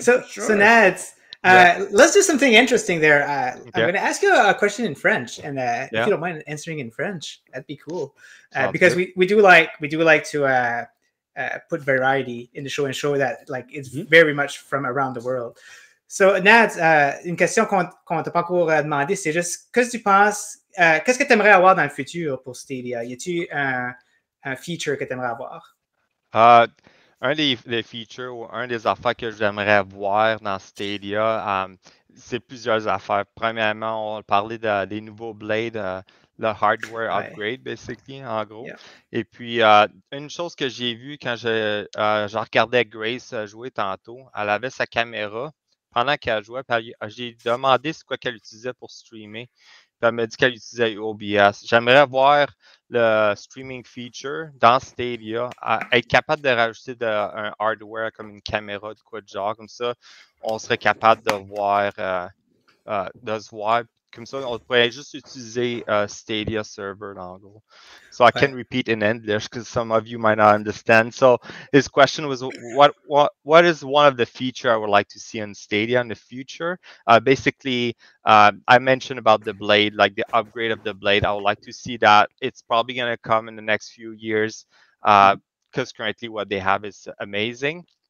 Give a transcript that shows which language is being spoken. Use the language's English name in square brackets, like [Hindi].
[English] So Nads. Let's do something interesting there. I'm going to ask you a question in French, and if you don't mind answering in French, that'd be cool. Because we do like to put variety in the show and show that like it's very much from around the world. [French] So Nads, une question qu'on t'a pas encore demandé, c'est juste qu'est-ce que tu penses, qu'est-ce que t'aimerais avoir dans le futur pour Stadia? Y a-t-il un feature que t'aimerais avoir? Un des features ou un des affaires que j'aimerais voir dans Stadia, c'est plusieurs affaires. Premièrement, on parlait des nouveaux blades, le hardware upgrade, [English] basically, [French] en gros. Yeah. Et puis, une chose que j'ai vue quand je regardais Grace jouer tantôt, elle avait sa caméra pendant qu'elle jouait. J'ai demandé c'est quoi qu'elle utilisait pour streamer. Puis elle m'a dit qu'elle utilisait OBS. J'aimerais voir le streaming feature dans Stadia, être capable de rajouter un hardware comme une caméra de quoi de genre, comme ça, on serait capable de voir, de se voir, comme ça, on pourrait juste utiliser Stadia server, en gros. [English] So I can repeat in English because some of you might not understand. So his question was, what is one of the feature I would like to see in Stadia in the future? I mentioned about the blade, like the upgrade of the blade. I would like to see that. It's probably going to come in the next few years because currently what they have is amazing.